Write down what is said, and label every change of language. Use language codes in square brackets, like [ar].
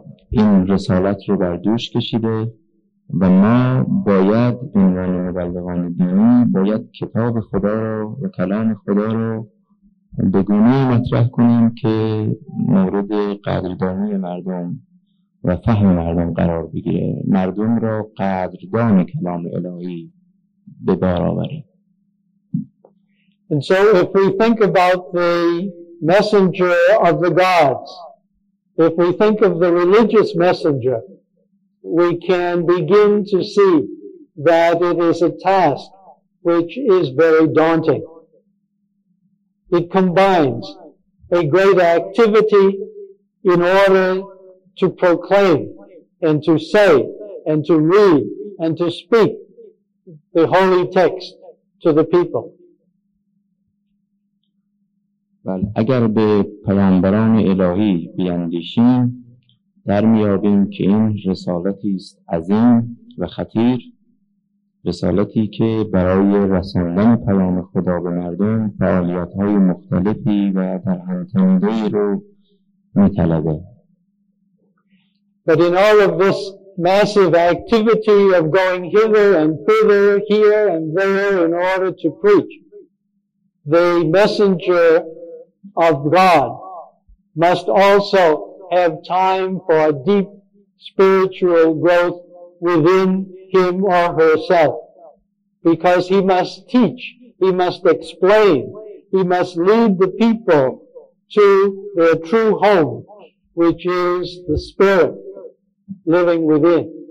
[fa] این رسالت رو بر دوش کشیده و ما باید عنوان مبلغان دینی باید کتاب خدا رو و کلام خدا رو به گونه‌ای مطرح کنیم که مورد قدردانی مردم و فهم مردم قرار بگیره، مردم را قدردان کلام الهی به بار آوریم. [en] And so if we think about the messenger of the gods, if we think of the religious messenger, we can begin to see that it is a task which is very daunting. It combines a great activity in order to proclaim and to say and to read and to speak the holy text to the people. [fa] بله، اگر به پیامبران الهی بیندیشیم در میابیم که این رسالتی است عظیم و خطیر، رسالتی که برای رساندن پیام خدا به مردم فعالیت‌های مختلفی و در هم تنیده رو می‌طلبه. [en] But in all of this massive activity of going hither and thither, here and there in order to preach, the messenger of God must also have time for a deep spiritual growth within him or herself, because he must teach, he must explain, he must lead the people to their true home, which is the spirit living within.